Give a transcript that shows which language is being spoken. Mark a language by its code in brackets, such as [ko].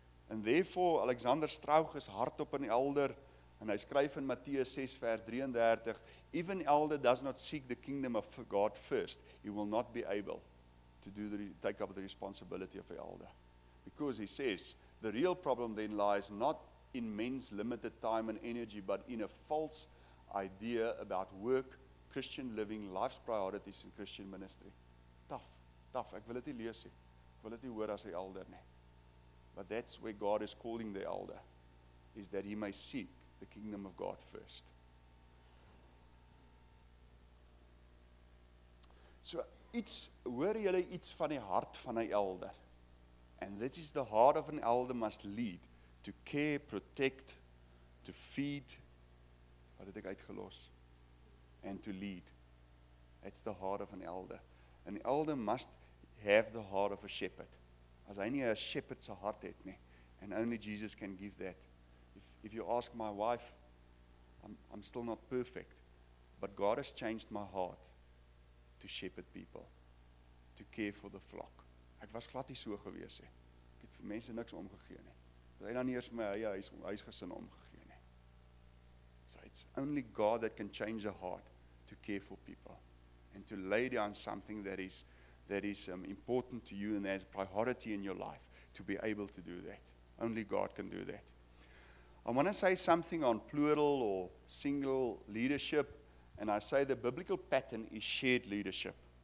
[en] And therefore, Alexander Strauch is hard op an elder, and [af] hy skryf in Matteus 6 vers 33, [en] even elder does not seek the kingdom of God first, he will not be able to do the take up the responsibility of an elder. Because he says, the real problem then lies not in men's limited time and energy, but in a false idea about work, Christian living, life's priorities in Christian ministry. [af] Tough, ek wil dit nie lees nie. Ek wil dit nie hoor as 'n elder nie. [en] But that's where God is calling the elder, is that he may seek the kingdom of God first. [af] So, iets, hoor julle iets van die hart van 'n elder? [en] And this is the heart of an elder must lead, to care, protect, to feed, [af] wat het ek uitgelos, [en] and to lead. It's the heart of an elder. An elder must have the heart of a shepherd. [af] As hy nie 'n shepherd se hart het nie. [en] And only Jesus can give that. If you ask my wife, I'm still not perfect. But God has changed my heart to shepherd people. To care for the flock. [af] Ek was glad nie so gewees nie. Ek het vir mense niks omgegee nie. Dat hy dan eers vir my eie huisgesin omgegee nie. [en] So it's only God that can change a heart to care for people. And to lay down something that is important to you and as priority in your life to be able to do that. Only God can do that. I want to say something on plural or single leadership, and I say the biblical pattern is shared leadership.